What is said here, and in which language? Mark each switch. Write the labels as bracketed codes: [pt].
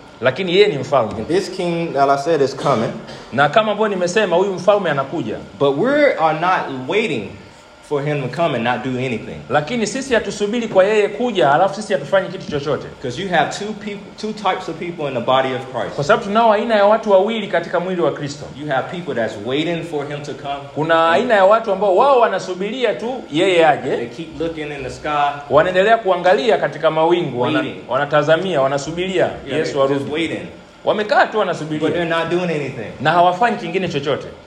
[sw] Lakini yeye ni mfalme. [en] And this king that I said is coming. [sw] Na kama ambavyo nimesema huyu mfalme anakuja. [en] But we are not waiting for him to come and not do anything. [sw] Lakini sisi hatusubiri kwa yeye kuja alafu sisi hatufanyi kitu chochote. [en] Because you have two types of people in the body of Christ. [sw] Kwa sababu tunao aina ya watu wawili katika mwili wa Kristo. [en] You have people that's waiting for him to come. [sw] Kuna aina ya watu ambao wao wanasubiria tu yeye aje. [en] They keep looking in the sky. [sw] Wanaendelea kuangalia katika mawingu wanatazamia wanasubiria Yesu arudi. [en] Just waiting. [sw] Wamekaa tu wanasubiria. [en] But they're not doing anything. [sw] Na hawafanyi kingine chochote.